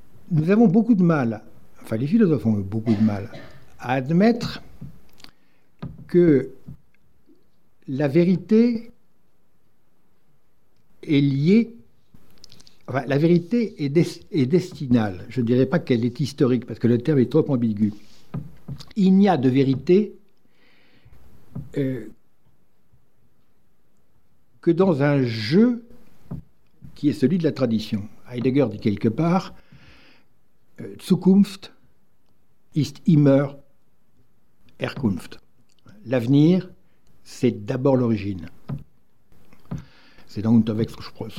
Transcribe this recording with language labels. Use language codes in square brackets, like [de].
[fr] Nous avons beaucoup de mal, enfin les philosophes ont beaucoup de mal, à admettre que la vérité est liée, enfin la vérité est destinale. Je ne dirais pas qu'elle est historique parce que le terme est trop ambigu. Il n'y a de vérité que dans un jeu qui est celui de la tradition. Heidegger dit quelque part... [de] Zukunft ist immer Herkunft. [fr] L'avenir, c'est d'abord l'origine. C'est dans Unterwegssprache.